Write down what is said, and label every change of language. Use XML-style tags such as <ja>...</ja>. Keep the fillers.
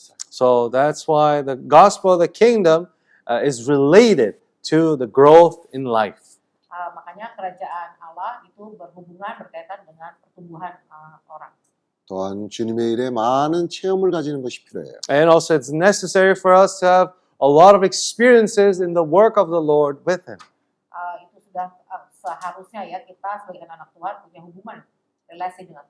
<en>So that's why the gospel of the kingdom uh, is related to the growth in life.</en> <id>Uh, makanya kerajaan bahwa itu berhubungan berkaitan dengan pertumbuhan uh, orang.</id> <ko>또한 주님의 일에 많은 체험을 가지는 것이 필요해요.</ko> <en>And also it's necessary for us to have a lot of experiences in the work of the Lord with him.</en> <id>Uh, itu sudah uh, seharusnya ya kita sebagai anak Tuhan punya hubungan relasi dengan</id>